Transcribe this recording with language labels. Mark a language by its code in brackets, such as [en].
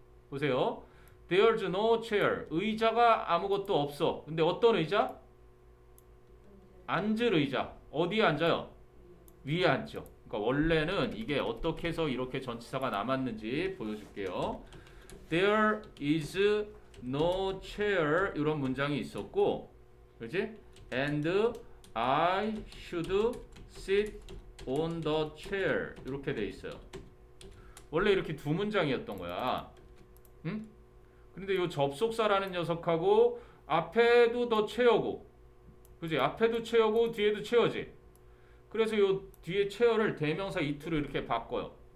[ko] 보세요. There's no chair. 의자가 아무것도 없어. 근데 어떤 의자? 앉을 의자. 어디에 앉아요? 위에 앉죠. 그러니까 원래는 이게 어떻게 해서 이렇게 전치사가 남았는지 보여줄게요. [en] There is no chair. [ko] 이런 문장이 있었고, 그렇지? [en] And I should sit on the chair. [ko] 이렇게 돼 있어요. 원래 이렇게 두 문장이었던 거야. 응? 근데 요 접속사라는 녀석하고 앞에도 더 체어고, 그지? 앞에도 체어고 뒤에도 체어지. 그래서 요 뒤에 체어를 대명사 it로 이렇게 바꿔요.